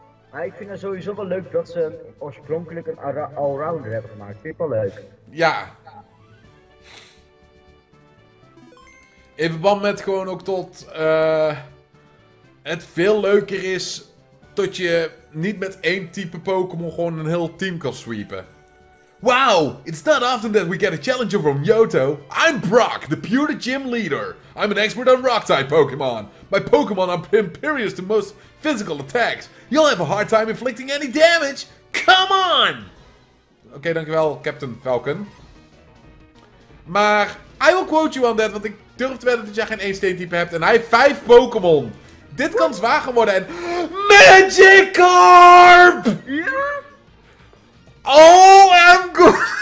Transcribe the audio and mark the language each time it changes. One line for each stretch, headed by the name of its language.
Dutch: Maar ik vind het sowieso wel leuk dat ze oorspronkelijk een allrounder hebben gemaakt. Ik vind het wel leuk. Ja. In verband met gewoon ook tot het veel leuker is tot je... Niet met één type Pokémon gewoon een heel team kan sweepen. Wow!
English: It's not often that we get a challenger from Johto. I'm Brock, the pure gym leader. I'm an expert on Rock-type Pokémon. My Pokémon are imperious to most physical attacks. You'll have a hard time inflicting any damage. Come on!
Dutch: Oké, dankjewel, Captain Falcon. Maar,
English: I will quote you on that,
Dutch: want ik durf te wedden dat jij geen één steentype hebt. En hij heeft 5 Pokémon. Dit kan zwaar gaan worden en... Magikarp! Ja?
English: Oh, I'm good!